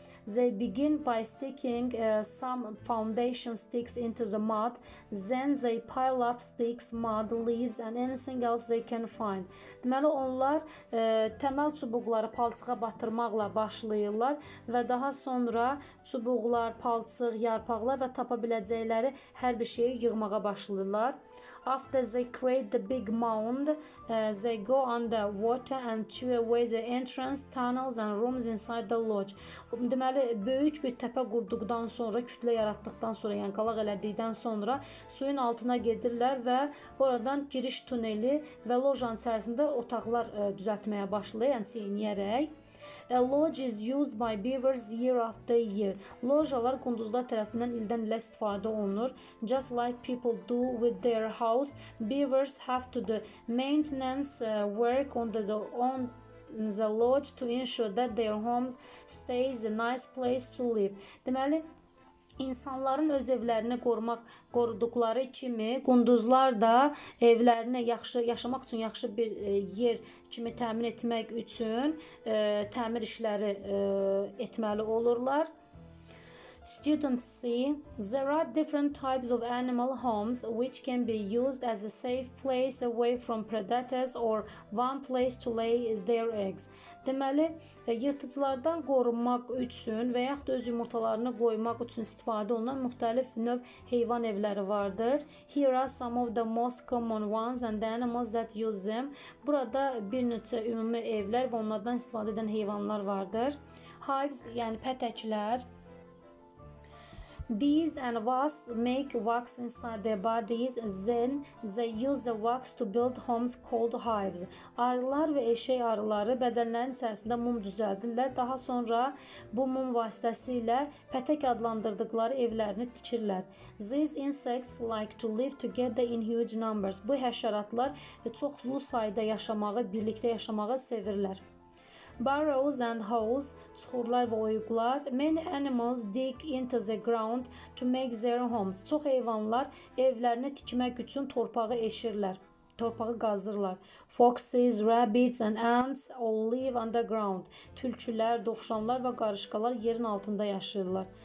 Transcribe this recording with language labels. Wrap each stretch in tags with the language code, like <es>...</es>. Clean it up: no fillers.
<en>They begin by sticking some foundation sticks into the mud, then they pile up sticks, mud, leaves and anything else they can find.</en> <az>Deməli, onlar təməl çubuqları palçığa batırmaqla başlayırlar və daha sonra çubuqlar, palçıq, yarpaqlar və tapa biləcəkləri hər bir şeyi yığmağa başlayırlar.</az> <en>After they create the big mound, they go under water and chew away the entrance, tunnels and rooms inside the lodge.</en> <az>Deməli, böyük bir təpə qurduqdan sonra, kütlə yaratdıqdan sonra, yəni qalaq elədikdən sonra suyun altına gedirlər və oradan giriş tuneli və lojanın içərisində otaqlar düzəltməyə başlayır, yəni çeynəyərək.</az> <en>A lodge is used by beavers year after year.</en> <az>Lojalar qunduzlar tərəfindən ildən ilə istifadə olunur.</az> <en>Just like people do with their house, beavers have to do maintenance work on the lodge to ensure that their homes stays a nice place to live.</en> <az>Deməli, İnsanların öz evlərini qoruduqları kimi qunduzlar da evlərini yaxşı yaşamaq üçün yaxşı bir yer kimi təmin etmək üçün təmir işləri etməli olurlar.</az> <en>Students see there are different types of animal homes which can be used as a safe place away from predators or one place to lay their eggs.</en> <az>Deməli, yırtıcılardan qorunmaq üçün və yaxud öz yumurtalarını qoymaq üçün istifadə olunan müxtəlif növ heyvan evləri vardır.</az> <en>Here are some of the most common ones and the animals that use them.</en> <az>Burada bir neçə ümumi evlər və onlardan istifadə edən heyvanlar vardır. Hives, yəni pətəklər.</az> <en>Bees and wasps make wax inside their bodies, then they use the wax to build homes called hives.</en> <az>Arılar və eşək arıları bədənlərin içərisində mum düzəldirlər, daha sonra bu mum vasitəsilə pətək adlandırdıqları evlərini tikirlər.</az> <en>These insects like to live together in huge numbers.</en> <az>Bu həşəratlar çoxlu sayda yaşamağı, birlikdə yaşamağı sevirlər.</az> <en>Burrows and holes,</en> <az>çuxurlar və oyuqlar.</az> <en>Many animals dig into the ground to make their homes.</en> <az>Çox heyvanlar evlərini tikmək üçün torpağı eşirlər, torpağı qazırlar.</az> <en>Foxes, rabbits and ants all live underground.</en> <az>Tülkülər, dovşanlar və qarışqalar yerin altında yaşayırlar.</az>